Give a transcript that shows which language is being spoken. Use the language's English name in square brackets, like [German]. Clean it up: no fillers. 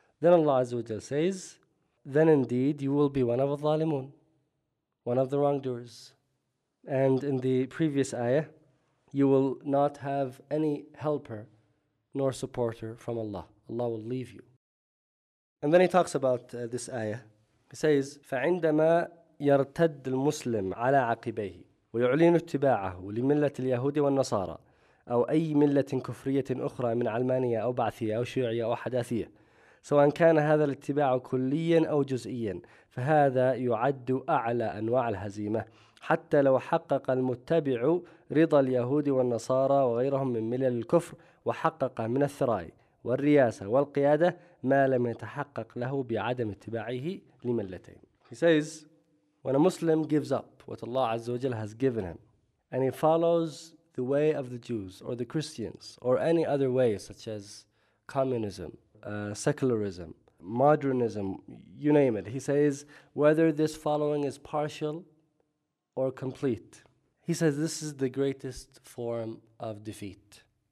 [English] Then Allah Azza wa Jal says, then indeed you will be one of al-zalimun, one of the wrongdoers. And in the previous ayah, you will not have any helper nor supporter from Allah. Allah will leave you. And then he talks about this ayah. He says, [Arabic] فَعِنْدَمَا يَرْتَدْ الْمُسْلِمْ عَلَىٰ عَقِبَيْهِ وَيُعْلِنُ اتِّبَاعَهُ لِمِلَّةِ الْيَهُودِ وَالنَّصَارَى أو أي ملة كفرية أخرى من علمانية أو بعثية أو شيوعية أو حداثية سواء كان هذا الاتباع كليا أو جزئيا فهذا يعد أعلى أنواع الهزيمة حتى لو حقق المتبع رضا اليهود والنصارى وغيرهم من ملل الكفر وحقق من الثراء والرياسة والقيادة ما لم يتحقق له بعدم اتباعه لملتين. [English] He says, when a Muslim gives up what Allah Azza wa Jal has given him and he follows the way of the Jews or the Christians or any other way such as communism, secularism, modernism, you name it. He says, whether this following is partial or complete, he says this is the greatest form of defeat.